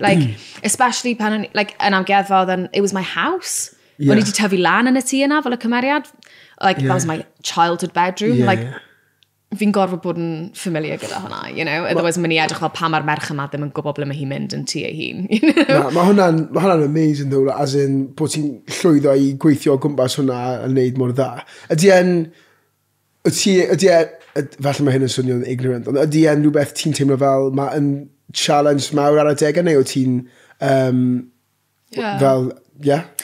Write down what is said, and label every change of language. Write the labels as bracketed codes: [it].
[en] Like, especially pan, like, yn amgueddfod, it was my house. Yeah. [cy] O'n i di tyfu lan yn y tŷ yna fel y cymeriad. [en] Like, yeah. That was my childhood bedroom. Yeah, like, yeah. [cy] Fi'n gorfod bod yn familiar gyda hwnna, [en] you know? [cy] Otherwise, mae'n i edrych fel pa mae'r merch yma ddim yn gwybod ble mae hi'n mynd yn tŷ ei hun, [en] you know? [cy] Mae hwnna'n amazing, though, as in bod ti'n llwyddo i gweithio gwmpas hwnna a wneud mor dda. Felly mae hyn yn swnio'n ignorant, ond ydy e'n rhywbeth ti'n teimlo fel mae yn challenge mawr ar y degau, neu o ti'n fel, yeah?